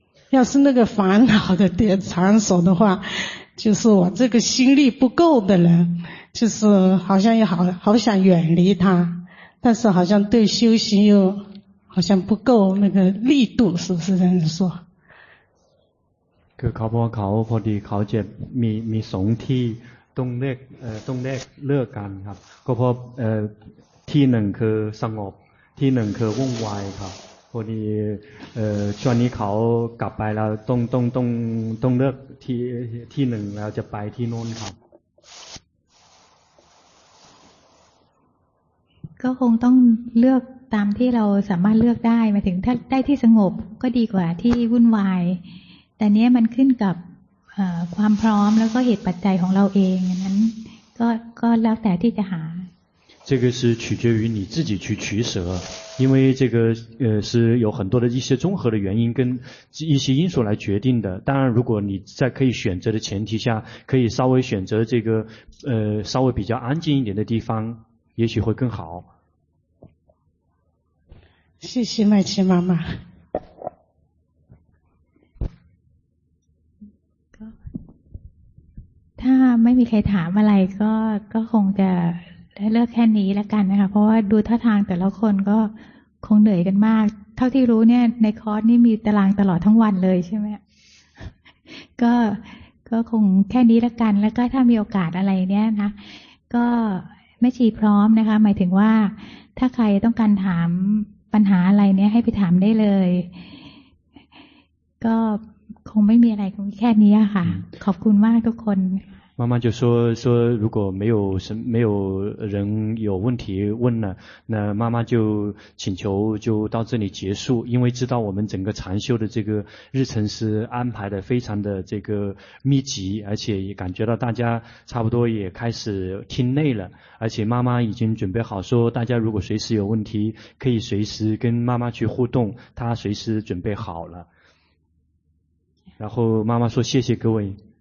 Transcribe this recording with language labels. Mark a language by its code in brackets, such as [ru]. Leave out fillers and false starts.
[zh] 要是那个烦恼的场所的话，就是我这个心力不够的人，就是好像又好想远离它，但是好像对修行又好像不够那个力度，是不是这样子说？ [th] คือเขาบอกเขาพอดีเขาจะมีสองที่ต้องเลือกเลือกกันครับก็เพราะที่หนึ่งคือสงบที่หนึ่งคือวุ่นวายครับพอดีช่วงนี้เขากลับไปแล้วต้องเลือกที่หนึ่งแล้วจะไปที่โน้นครับ ก็คงต้องเลือกตามที่เราสามารถเลือกได้หมายถึงถ้าได้ที่สงบก็ดีกว่าที่วุ่นวายแต่เนี้ยมันขึ้นกับความพร้อมแล้วก็เหตุปัจจัยของเราเองนั้นก็แล้วแต่ที่จะหา [zh] 这个是取决于你自己去取舍，因为这个是有很多的一些综合的原因跟一些因素来决定的。当然，如果你在可以选择的前提下，可以稍微选择这个稍微比较安静一点的地方，也许会更好。谢谢麦琪妈妈。 [th] ถ้าไม่มีใครถามอะไรก็คงจะได้เลือกแค่นี้แล้วกันนะคะเพราะว่าดูท่าทางแต่ละคนก็คงเหนื่อยกันมากเท่าที่รู้เนี่ยในคอร์สนี่มีตารางตลอดทั้งวันเลยใช่ไหม ก็คงแค่นี้แล้วกันแล้วก็ถ้ามีโอกาสอะไรเนี่ยนะก็ไม่ชีพร้อมนะคะหมายถึงว่าถ้าใครต้องการถามปัญหาอะไรเนี่ยให้ไปถามได้เลยก็คงไม่มีอะไรคงแค่นี้ค่ะขอบคุณมากทุกคน [zh] 妈妈就说如果没有人有问题问了，那妈妈就请求就到这里结束，因为知道我们整个禅修的这个日程是安排的非常的这个密集，而且也感觉到大家差不多也开始听累了，而且妈妈已经准备好说大家如果随时有问题可以随时跟妈妈去互动，她随时准备好了。然后妈妈说谢谢各位。